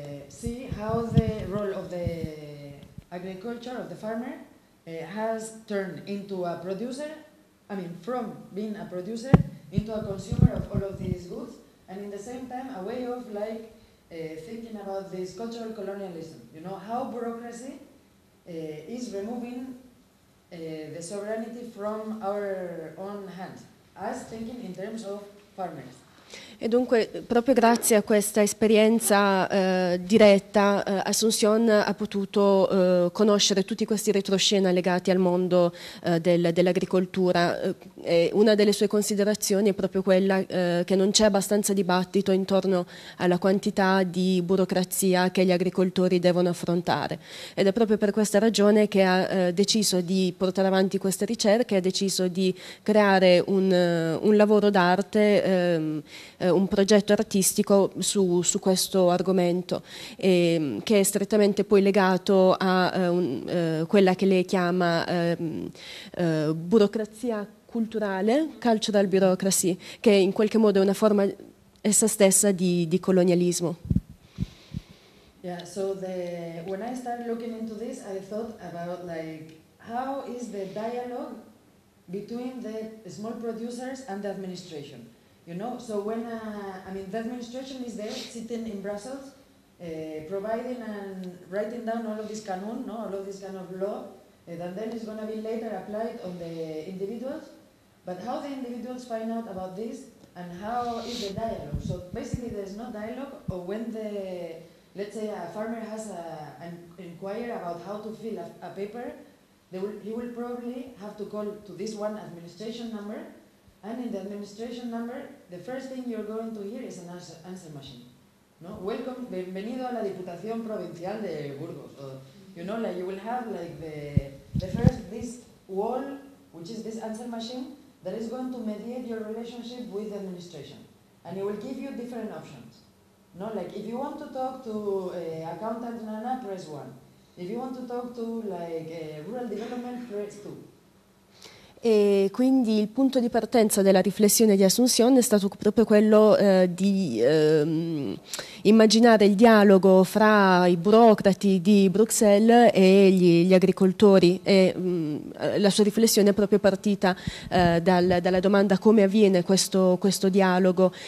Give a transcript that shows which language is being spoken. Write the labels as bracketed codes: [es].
[en] see how the role of the agriculture of the farmer has turned into a producer, I mean, from being a producer into a consumer of all of these goods, and in the same time, a way of like thinking about this cultural colonialism, you know, how bureaucracy is removing the sovereignty from our own hands, us thinking in terms of farmers. [it] E dunque, proprio grazie a questa esperienza diretta, Assunción ha potuto conoscere tutti questi retroscena legati al mondo dell'agricoltura. E una delle sue considerazioni è proprio quella che non c'è abbastanza dibattito intorno alla quantità di burocrazia che gli agricoltori devono affrontare. Ed è proprio per questa ragione che ha deciso di portare avanti queste ricerche, ha deciso di creare un lavoro d'arte, un progetto artistico su questo argomento, che è strettamente poi legato a quella che lei chiama burocrazia culturale, [en] cultural bureaucracy, [it] che in qualche modo è una forma essa stessa di colonialismo. [en] Yeah, so when I started looking into this, I thought about like how is the dialogue between the small producers and the administration, you know? So when, the administration is there sitting in Brussels, providing and writing down all of this canon, no, all of this kind of law, that then is gonna be later applied on the individuals, but how the individuals find out about this and how is the dialogue? So basically there's no dialogue, or when the, let's say a farmer has an inquiry about how to fill a paper, he will probably have to call to this one administration number, and in the administration number, the first thing you're going to hear is an answer machine. No? Welcome, [es] bienvenido a la Diputación Provincial de Burgos. [en] Or, you know, like you will have like the first, this wall, which is this answer machine, that is going to mediate your relationship with the administration. And it will give you different options. No, like if you want to talk to accountant Nana, press 1. If you want to talk to like rural development, press 2. [it] E quindi il punto di partenza della riflessione di Asunción è stato proprio quello immaginare il dialogo fra i burocrati di Bruxelles e gli agricoltori, e la sua riflessione è proprio partita dalla domanda come avviene questo dialogo.